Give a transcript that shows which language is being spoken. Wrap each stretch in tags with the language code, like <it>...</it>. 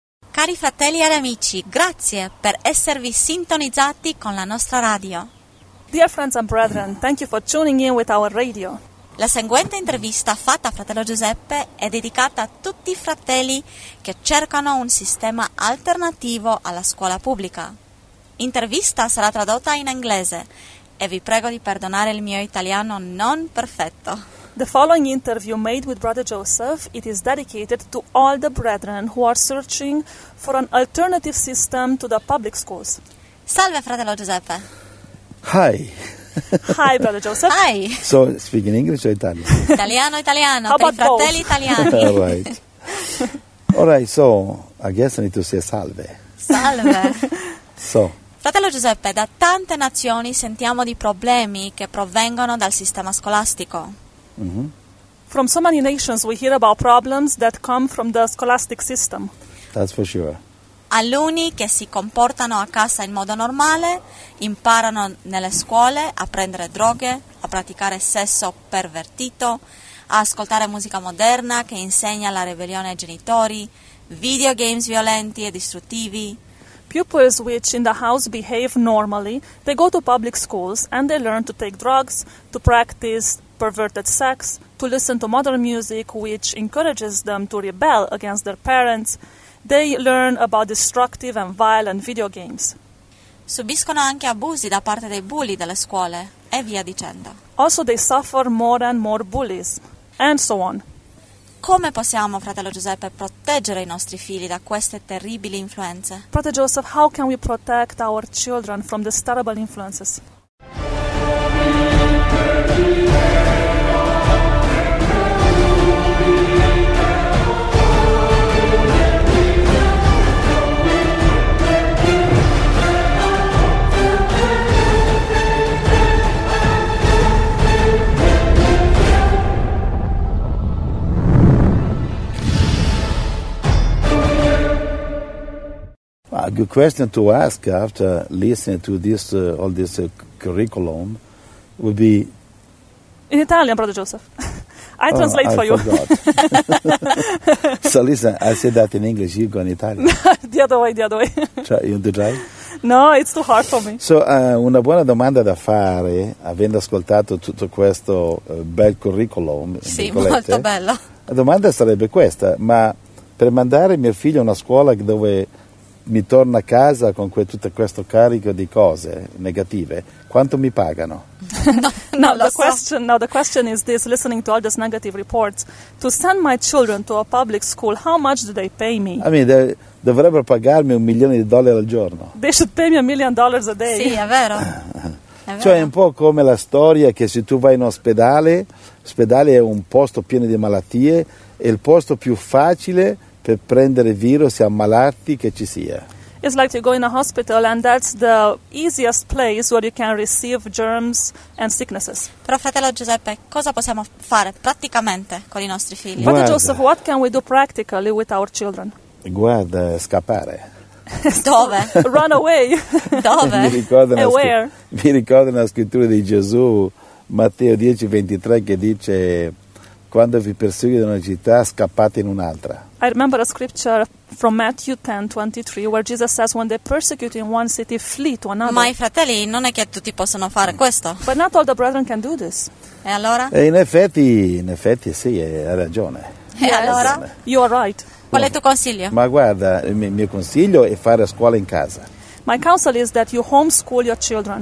<it>cari fratelli ed amici, grazie per esservi sintonizzati con la nostra radio.</it> <en>Dear friends and brethren, thank you for tuning in with our radio.</en> <it>La seguente intervista fatta a fratello Giuseppe è dedicata a tutti i fratelli che cercano un sistema alternativo alla scuola pubblica. Intervista sarà tradotta in inglese e vi prego di perdonare il mio italiano non perfetto.</it> <en>The following interview made with Brother Joseph, it is dedicated to all the brethren who are searching for an alternative system to the public schools.</en> <it>Salve, fratello Giuseppe.</it> <en>Hi. Hi, Brother Joseph. Hi. So, speaking English or Italian?</en> <it>Italiano.</it> <en>How about fratelli both?</en> <it>Italiani.</it> <en>All right, so, I guess I need to say salve.</en> <it>Salve.</it> <en>So.</en> <it>Fratello Giuseppe, da tante nazioni sentiamo di problemi che provengono dal sistema scolastico.</it> <en>From so many nations we hear about problems that come from the scholastic system. That's for sure.</en> <it>Alunni che si comportano a casa in modo normale, imparano nelle scuole a prendere droghe, a praticare sesso pervertito, a ascoltare musica moderna che insegna la ribellione ai genitori, videogames violenti e distruttivi.</it> <en>Pupils which in the house behave normally, they go to public schools and they learn to take drugs, to practice perverted sex, to listen to modern music which encourages them to rebel against their parents. They learn about destructive and violent video games.</en> <it>Subiscono anche abusi da parte dei bully delle scuole e via dicendo.</it> <en>Also they suffer more and more bullies and so on.</en> <it>Come possiamo, fratello Giuseppe, proteggere i nostri figli da queste terribili influenze?</it> <en>Brother Joseph, how can we protect our children from these terrible influences? Good question to ask after listening to this all this curriculum would be in Italian, Brother Joseph. I translate for you. So listen, I said that in English, you go in Italian. the other way. You want to try? No, it's too hard for me.</en> <it>So una buona domanda da fare, avendo ascoltato tutto questo bel curriculum. Sì, molto bello. La domanda sarebbe questa: ma per mandare mio figlio a una scuola dove mi torno a casa con tutto questo carico di cose negative, quanto mi pagano?</it> <en>The question is this: listening to all these negative reports, to send my children to a public school, how much do they pay me? I mean, they</en> <it>dovrebbero pagarmi $1,000,000 al giorno.</it> <en>They should pay me $1,000,000 a day.</en> <it>Sì, è vero. Cioè è un po' come la storia che se tu vai in ospedale, l'ospedale è un posto pieno di malattie, è il posto più facile per prendere virus e ammalarti che ci sia.</it> <en>It's like you go in a hospital and that's the easiest place where you can receive germs and sicknesses.</en> <it>Però fratello Giuseppe, cosa possiamo fare praticamente con i nostri figli?</it> <en>Guarda, Father Joseph, what can we do practically with our children?</en> <it>Guarda, scappare. Dove?</it> <en>Run away.</en> <it>Dove? Mi ricordo una scrittura di Gesù, Matteo 10:23, che dice: quando vi perseguite in una città, scappate in un'altra.</it> <en>I remember a scripture from Matthew 10:23 where Jesus says when they persecute in one city, flee to another.</en> <it>Ma i fratelli non è che tutti possono fare questo.</it> <en>But not all the brethren can do this.</en> <it>E allora? In effetti sì, hai ragione. E allora?</it> <en>You are right.</en> <it>Qual è il tuo consiglio? Ma guarda, il mio consiglio è fare scuola in casa.</it> <en>My counsel is that you homeschool your children.</en>